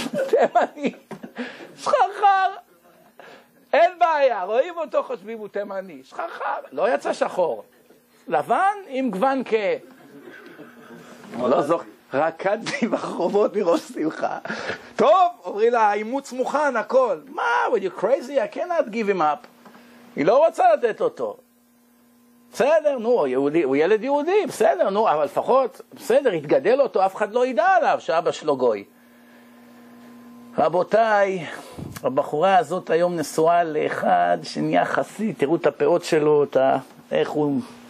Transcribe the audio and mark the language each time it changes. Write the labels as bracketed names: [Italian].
[Hebrew] תימני, שחרחר. אין בעיה, רואים אותו, חושבים, הוא תימני. שחרחר, לא יצא שחור. לבן עם גוון כ... לא זוכר, רקדתי בחרובות מראש שמחה. טוב, אומרי לה, האימוץ מוכן, הכל. מה, [English] were you crazy? I cannot give him up. [Hebrew] היא לא רוצה לתת אותו. בסדר, נו, יהודי, הוא ילד יהודי, בסדר, נו, אבל לפחות, בסדר, התגדל אותו, אף אחד לא ידע עליו שאבא שלו גוי. רבותיי, הבחורה הזאת היום נשואה לאחד שנהיה חסיד, תראו את הפאות שלו, את ה... איך הוא...